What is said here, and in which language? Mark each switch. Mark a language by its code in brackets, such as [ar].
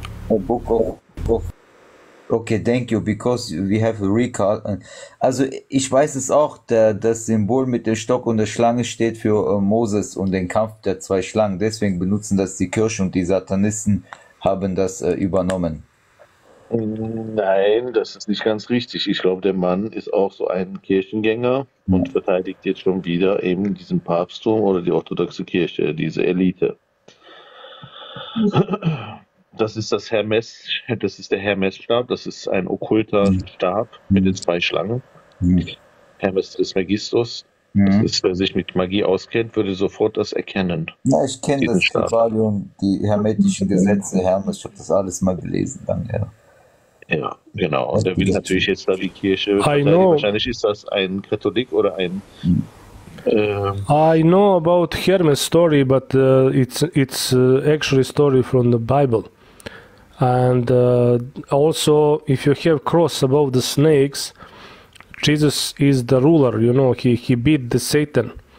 [en] A book of okay, thank you, because we have a recall. [de] Also, ich weiß es auch, das Symbol mit dem Stock und der Schlange steht für Moses und den Kampf der zwei Schlangen. Deswegen benutzen das die Kirche und die Satanisten haben das übernommen. Nein, das ist nicht ganz richtig. Ich glaube, der Mann ist auch so ein Kirchengänger und verteidigt jetzt schon wieder eben diesen Papsttum oder die orthodoxe Kirche, diese Elite. Das ist das Hermes, das ist der Hermesstab, das ist ein okkulter Stab mit den zwei Schlangen. Mhm. Hermes Trismegistus, das ist, wer sich mit Magie auskennt, würde sofort das erkennen. Ja, ich kenne das Kybalion, die hermetischen Gesetze, Hermes, ich habe das alles mal gelesen dann, ja. Ja, genau. Und er will natürlich jetzt da die Kirche. Wahrscheinlich ist das ein Katholik oder ein. [en] I know about Hermes story, but it's actually a story from the Bible. And also, if you have cross above the snakes, Jesus is the ruler, you know, he beat the Satan.